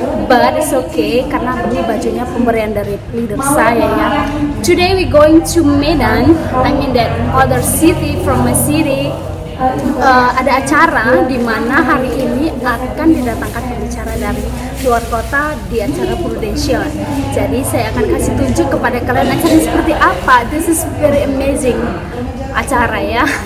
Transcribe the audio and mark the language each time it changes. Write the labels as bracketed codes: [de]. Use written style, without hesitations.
[en] But it's okay, [id] karena ini bajunya pemberian dari leader saya ya. [en] Today we going to Medan. I mean that other city from my city. [id] Ada acara di mana hari ini akan didatangkan pembicara dari luar kota di acara Prudential. Jadi saya akan kasih tunjuk kepada kalian acara seperti apa. [en] This is very amazing [id] acara ya.